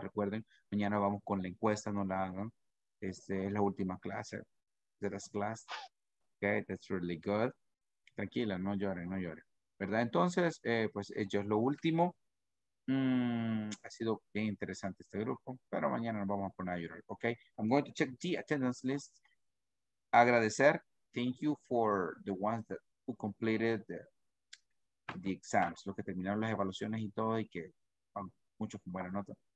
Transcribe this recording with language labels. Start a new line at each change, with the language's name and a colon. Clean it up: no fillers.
Spanish: Recuerden, mañana vamos con la encuesta, no la hagan. Este es la última clase de las clases.
English: Okay, that's really good.
Spanish: Tranquila, no llore, no llore. ¿Verdad? Entonces, pues, ello es lo último. Ha sido bien interesante este grupo, pero mañana nos vamos a poner a llorar.
English: Okay, I'm going to check the attendance list.
Spanish: Agradecer.
English: Thank you for the ones that who completed the exams.
Spanish: Los que terminaron las evaluaciones y todo y que van muchos con buena nota.